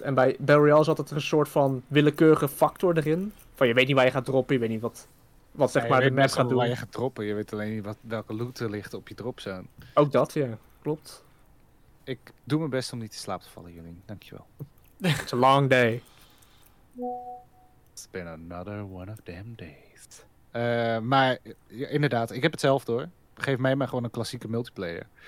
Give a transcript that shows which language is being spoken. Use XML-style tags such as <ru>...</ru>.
<nl>En bij Battle Royale zat er een soort van willekeurige factor erin. Van je weet niet waar je gaat droppen, je weet niet wat zeg maar de map gaat doen. Waar je gaat droppen. Je weet alleen niet welke loot er ligt op je dropzone. Ook dat, ja. Klopt. Ik doe mijn best om niet in slaap te vallen, Jolien. Dankjewel.</nl> <en>It's a long day. It's been another one of them days.</en> <nl>Maar ja, inderdaad, ik heb het zelf door. Geef mij maar gewoon een klassieke multiplayer.</nl>